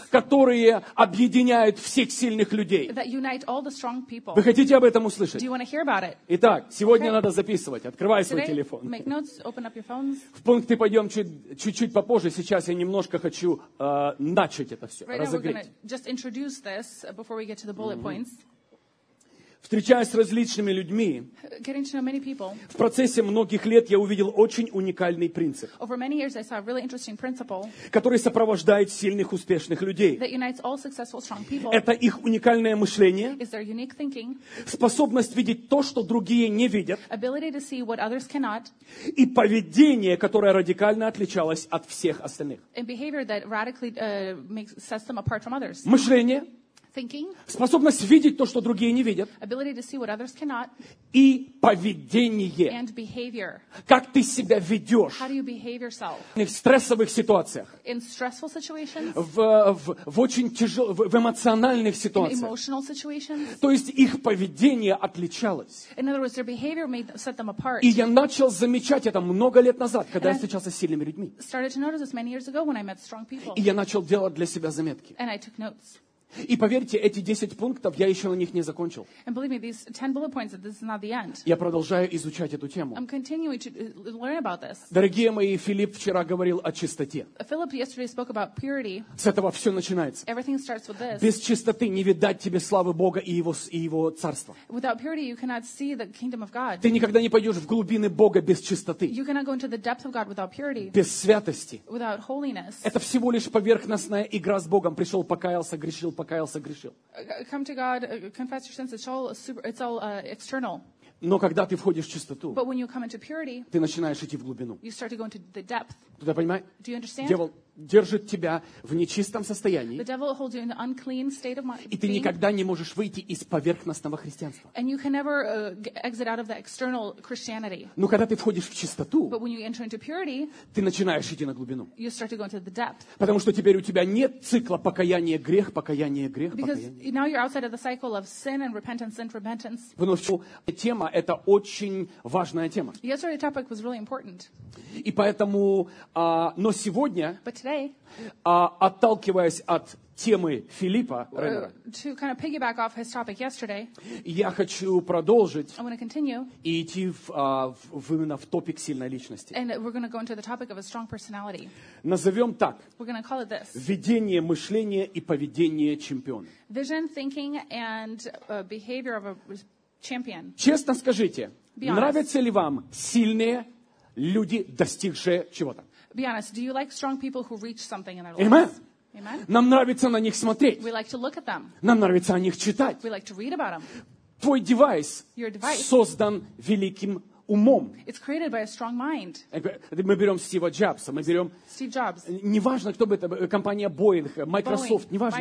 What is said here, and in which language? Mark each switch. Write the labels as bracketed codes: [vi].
[ru] которые объединяют всех сильных людей. [en] That unite all the strong people. [ru] Вы хотите об этом услышать? [en] Do you want to hear about it? [ru] Итак, сегодня надо записывать. Открывай свой телефон. [en] Make notes, open up your phones. [ru] В пункты пойдем чуть-чуть попозже. Сейчас я немножко хочу начать это все, [en] right, [ru] разогреть. [en] Just introduce this before we get to the bullet points. [ru] Встречаясь с различными людьми, [en] getting to know many people, [ru] в процессе многих лет я увидел очень уникальный принцип, [en] over many years I saw a really interesting principle, [ru] который сопровождает сильных, успешных людей. [en] That unites all successful, strong people. [ru] Это их уникальное мышление, [en] is their unique thinking, [ru] способность видеть то, что другие не видят, [en] ability to see what others cannot, [ru] и поведение, которое радикально отличалось от всех остальных. [en] And behavior that radically, makes, sets them apart from others. [ru] Мышление. [en] Thinking, [ru] способность видеть то, что другие не видят. [en] Ability to see what others cannot, [ru] и поведение. [en] And behavior. [ru] Как ты себя ведешь. [en] How do you behave yourself? [ru] В стрессовых ситуациях. [en] In stressful situations, [ru] в очень тяжелых, в эмоциональных ситуациях. [en] In emotional situations. [ru] То есть их поведение отличалось. [en] In other words, their behavior made, set them apart. [ru] И я начал замечать это много лет назад, когда [en] and [ru] я встречался с сильными людьми. [en] Started to notice this many years ago when I met strong people. [ru] И я начал делать для себя заметки. [en] And I took notes. [ru] И поверьте, эти 10 пунктов я еще на них не закончил. [en] And believe me, these 10 bullet points, this is not the end. [ru] Я продолжаю изучать эту тему. [en] I'm continuing to learn about this. [ru] Дорогие мои, Филипп вчера говорил о чистоте. [en] Philip yesterday spoke about purity. [ru] С этого все начинается. [en] Everything starts with this. [ru] Без чистоты не видать тебе славы Бога и его царства. [en] Without purity, you cannot see the kingdom of God. [ru] Ты никогда не пойдешь в глубины Бога без чистоты. [en] You cannot go into the depth of God without purity. [ru] Без святости. [en] Without holiness. [ru] Это всего лишь поверхностная игра с Богом. Пришел, покаялся, грешил. покаялся, грешил. [en] Come to God, confess your sins. It's all external. [ru] Но когда ты входишь в чистоту, [en] but when you come into purity, [ru] ты начинаешь идти в глубину. [en] You start to go into the depth. [ru] Ты понимаешь? [en] Do you understand? [ru] Дьявол держит тебя в нечистом состоянии. [en] The devil holds you in an unclean state of mind. [ru] И ты никогда не можешь выйти из поверхностного христианства. [en] And you can never exit out of the external Christianity. [ru] Но когда ты входишь в чистоту, [en] but when you enter into purity, [ru] ты начинаешь идти на глубину. [en] You start to go into the depth. [ru] Потому что теперь у тебя нет цикла покаяния, грех, покаяния, грех, [en] Because now you're outside of the cycle of sin and repentance, sin, repentance. [ru] Вновь, тема — это очень важная тема. [en] Yesterday's topic was really important. [ru] И поэтому, но сегодня... [en] But today, [ru] отталкиваясь от темы Филиппа Реннера, [en] to kind of piggyback off his topic yesterday, [ru] я хочу продолжить [en] I'm going to continue, [ru] и идти в именно в топик сильной личности. [en] And we're going to go into the topic of a strong personality. [ru] Назовем так. [en] We're going to call it this. [ru] Видение, мышление и поведение чемпиона. [en] Vision, thinking and behavior of a champion. [ru] Честно скажите, [en] Be honest. [ru] Нравятся ли вам сильные люди, достигшие чего-то? [en] Be honest, do you like strong people who reach something in their lives? Amen. Amen. [ru] Нам нравится на них смотреть. [en] We like to look at them. [ru] Нам нравится о них читать. [en] We like to read about them. [ru] Твой девайс создан великим умом. [en] It's created by a strong mind. [ru] Мы берем Стива Джобса, мы берем... [en] Steve Jobs. [ru] Неважно, кто бы это... Компания Boeing, Microsoft, неважно.